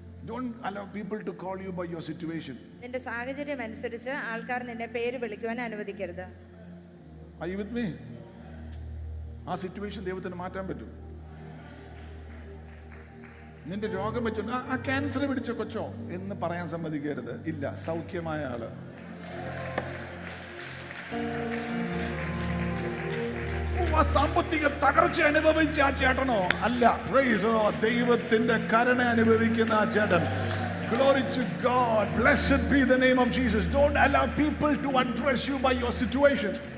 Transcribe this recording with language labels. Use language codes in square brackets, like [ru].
[en] Don't allow people to call you by your situation. [ml] നിന്റെ സാഹചര്യം അനുസരിച്ച് ആൾക്കാർ നിന്നെ പേര് വിളിക്കുവാൻ അനുവദിക്കരുത്. [en] Are you with me? [ml] ആ സിറ്റുവേഷൻ ദൈവത്തിന് മാറ്റാൻ പറ്റും. നിന്റെ രോഗം പറ്റും, ആ ക്യാൻസർ പിടിച്ച കൊച്ചോ എന്ന് പറയാൻ സമ്മതിക്കരുത്. ഇല്ല, സൗഖ്യമായ ആള്. സാമ്പത്തിക തകർച്ച അനുഭവിച്ച ആ ചേട്ടനോ അല്ല, ദൈവത്തിന്റെ കരുണ അനുഭവിക്കുന്ന ആ ചേട്ടൻ. [en] Glory to God. Blessed be the name of Jesus. Don't allow people to address you by your situation.